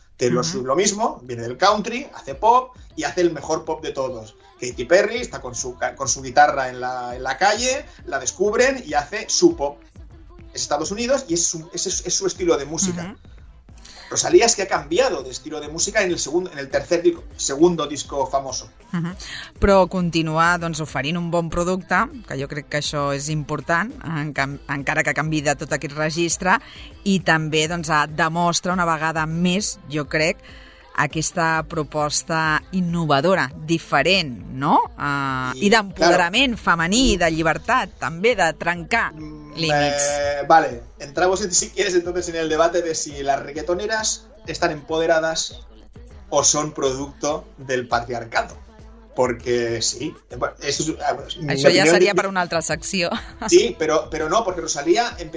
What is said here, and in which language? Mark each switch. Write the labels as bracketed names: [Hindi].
[Spanish] Te lo, uh-huh, lo mismo, viene del country, hace pop y hace el mejor pop de todos. Katy Perry está con su guitarra en la calle, la descubren y hace su pop. Es Estados Unidos y es su estilo de música. Uh-huh. Rosalía es que ha cambiado de estilo de música en el tercer segundo disco famoso. Uh-huh. [Catalan] Però continuar, doncs, oferint un bon producte, que jo crec que això és important, encara que canvi de tot aquest registre, i també, doncs, demostra una vegada més, jo crec, aquesta proposta innovadora, diferent, no? I d'empoderament, claro, femení, i de llibertat, també, de trencar límits. [Spanish] Vale, entramos, si quieres, entonces en el debate de si las reggaetoneras están empoderadas o son producto del patriarcado. Porque sí. [Catalan] Això ja seria per una altra secció. Sí, però no, perquè Rosalía...